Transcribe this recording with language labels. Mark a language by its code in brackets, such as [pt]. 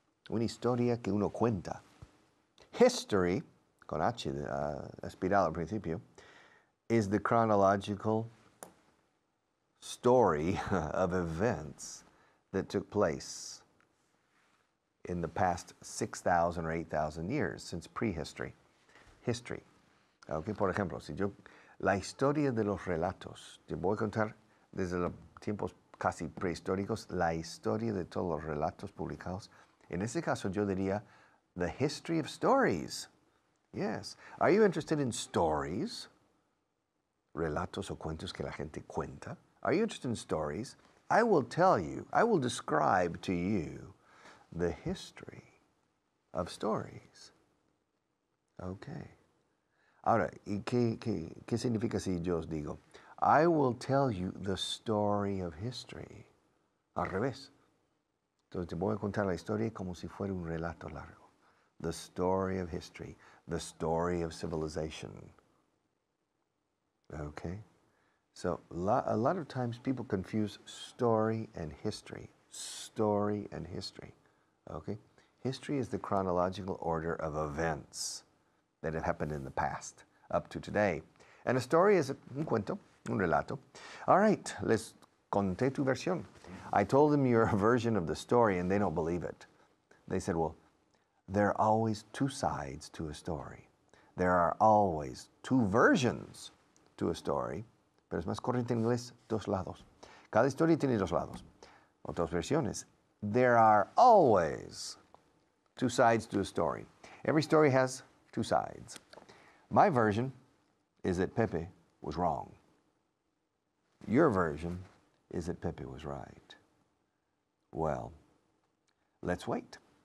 [es] Una historia que uno cuenta. [en] History, [es] con H, espiral al principio, [en] is the chronological story of events that took place in the past 6,000 or 8,000 years, since prehistory. [es] History. Okay, por ejemplo, si yo... La historia de los relatos. Te voy a contar desde los tiempos casi prehistóricos la historia de todos los relatos publicados. En ese caso, yo diría [en] the history of stories. [es] Yes. [en] Are you interested in stories? [es] Relatos o cuentos que la gente cuenta. [en] Are you interested in stories? I will tell you, I will describe to you the history of stories. Okay. [es] Ahora, ¿y qué significa si yo os digo? [en] I will tell you the story of history. [es] Al revés. Entonces, te voy a contar la historia como si fuera un relato largo. [en] The story of history. The story of civilization. Okay? So, a lot of times people confuse story and history. Story and history. Okay? History is the chronological order of events that have happened in the past, up to today. And a story is [es] un cuento, un relato. [en] All right, [es] les conté tu versión. [en] I told them your version of the story, and they don't believe it. They said, well, there are always two sides to a story. There are always two versions to a story. [es] Pero es más corriente en inglés, dos lados. Cada historia tiene dos lados, o dos versiones. [en] There are always two sides to a story. Every story has two sides. My version is that Pepe was wrong. Your version is that Pepe was right. Well, let's wait.